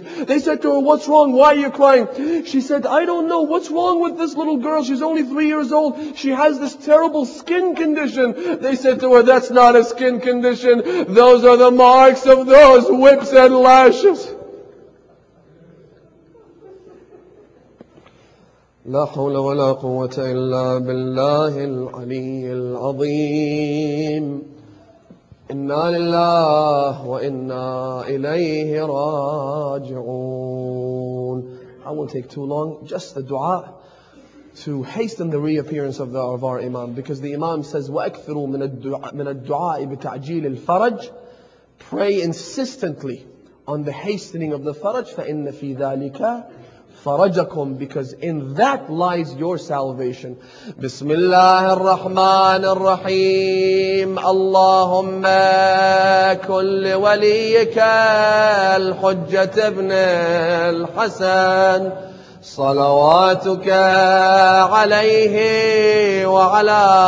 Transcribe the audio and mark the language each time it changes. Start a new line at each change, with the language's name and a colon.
English: They said to her, what's wrong? Why are you crying? She said, I don't know. What's wrong with this little girl? She's only 3 years old. She has this terrible skin condition. They said to her, that's not a skin condition. Those are the marks of those whips and lashes.
Arabic: لا حول ولا قوة إلا بالله العلي العظيم. إنا لله وإنا إليه راجعون.
English: I won't take too long, just the dua to hasten the reappearance of our Imam, because the Imam says,
Arabic: وَأَكْثِرُوا مِنَ الدُّعَاءِ بِتَعْجِيلِ الْفَرَجِ.
English: Pray insistently on the hastening of the Faraj.
Arabic: فَإِنَّ فِي ذَلِكَ فَرَجَكُمْ,
English: because in that lies your salvation.
Arabic: بسم الله الرحمن الرحيم. اللهم كل وليك الحجة ابن الحسن صلواتك عليه وعلى